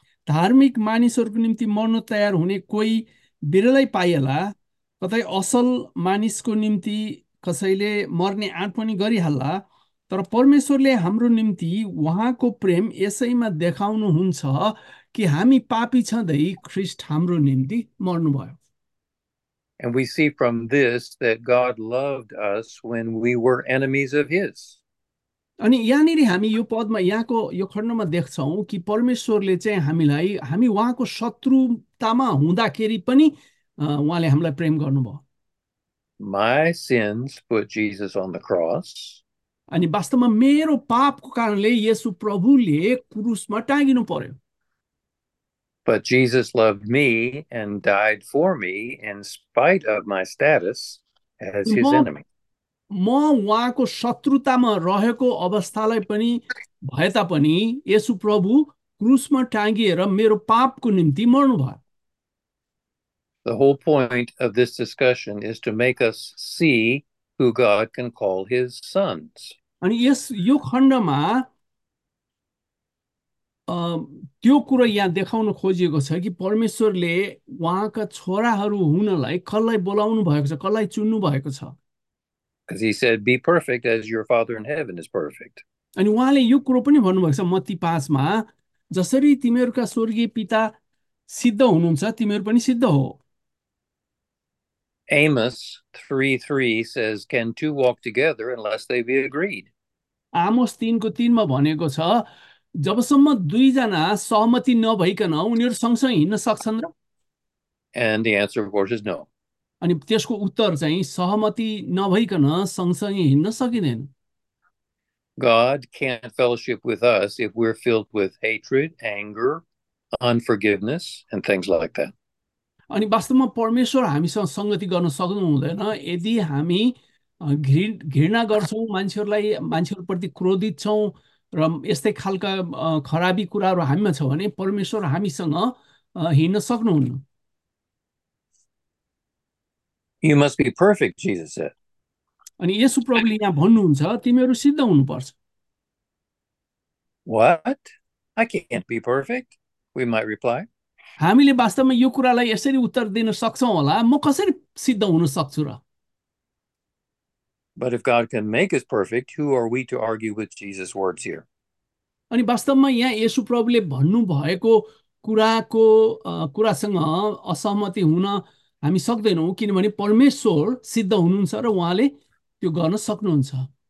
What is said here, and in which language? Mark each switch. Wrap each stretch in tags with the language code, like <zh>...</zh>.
<ne>धार्मिक मानिसहरूको निम्ति मर्नु तयार हुने कोही बिरलै पाइएला। कतै असल मानिसको निम्ति कसैले मर्ने आँट पनि गरिहाल्ला। तर परमेश्वरले हाम्रो निम्ति उहाँको प्रेम यसैमा देखाउनुहुन्छ कि हामी पापी छँदै ख्रिस्ट हाम्रो निम्ति मर्नुभयो।</ne> <en>And we see from this that God loved us when we were enemies of His.</en> <ne>अनि यहाँनिर हामी यो पदमा, यहाँको यो खण्डमा देख्छौँ कि परमेश्वरले चाहिँ हामीलाई, हामी उहाँको शत्रुतामा हुँदाखेरि पनि उहाँले हामीलाई प्रेम गर्नुभयो।</ne> <en>My sins put Jesus on the cross.</en> <ne>अनि वास्तवमा मेरो पापको कारणले येशू प्रभुले क्रुसमा टाँगिनु पर्यो।</ne> <en>But Jesus loved me and died for me in spite of my status as his enemy.</en> <ne>म उहाँको शत्रुतामा रहेको अवस्थालाई पनि भए तापनि येशू प्रभु क्रुसमा टाँगिएर मेरो पापको निम्ति मर्नुभयो।</ne> <en>The whole point of this discussion is to make us see who God can call his sons.</en> <ne>अनि यस यो खण्डमा त्यो कुरो यहाँ देखाउन खोजिएको छ कि परमेश्वरले उहाँका छोराहरू हुनलाई कसलाई बोलाउनु भएको छ, कसलाई चुन्नु भएको छ?</ne> <en>As he said, be perfect as your Father in heaven is perfect.</en> <ne>अनि उहाँले यो कुरो पनि भन्नुभएको छ मत्ती 5 जसरी तिमीहरूका स्वर्गीय पिता सिद्ध हुनुहुन्छ, तिमीहरू पनि सिद्ध हो।</ne> <en>Amos 3:3 says, can two walk together unless they be agreed?</en> <ne>Amos 3:3 भनेको छ, जबसम्म दुईजना सहमति नभइकन उनीहरू सँगसँगै हिँड्न सक्छन् र?</ne> <en>And the answer, of course, is no.</en> <ne>अनि त्यसको उत्तर चाहिँ सहमति नभइकन सँगसँगै हिँड्न सकिँदैन।</ne> <en>God can't fellowship with us if we're filled with hatred, anger, unforgiveness, and things like that.</en> <ne>अनि वास्तवमा परमेश्वर हामीसँग सङ्गति गर्न सक्नु हुँदैन यदि हामी घृणा गर्छौँ मान्छेहरूलाई, मान्छेहरूप्रति क्रोधित छौँ र यस्तै खालका खराबी कुराहरू हामीमा छ भने परमेश्वर हामीसँग हिँड्न सक्नुहुन्न।</ne> <en>You must be perfect, Jesus said.</en> <ne>अनि येशू प्रभुले यहाँ भन्नुहुन्छ तिमीहरू सिद्ध हुनुपर्छ।</ne> <en>What? I can't be perfect, we might reply.</en> <ne>हामीले वास्तवमा यो कुरालाई यसरी उत्तर दिन सक्छौँ होला, म कसरी सिद्ध हुन सक्छु र?</ne> <en>But if God can make us perfect, who are we to argue with Jesus' words here?</en> <ne>अनि वास्तवमा यहाँ येशु प्रभुले भन्नुभएको कुराको कुरासँग असहमति हुन हामी सक्दैनौँ, किनभने परमेश्वर सिद्ध हुनुहुन्छ र उहाँले त्यो गर्न सक्नुहुन्छ।</ne>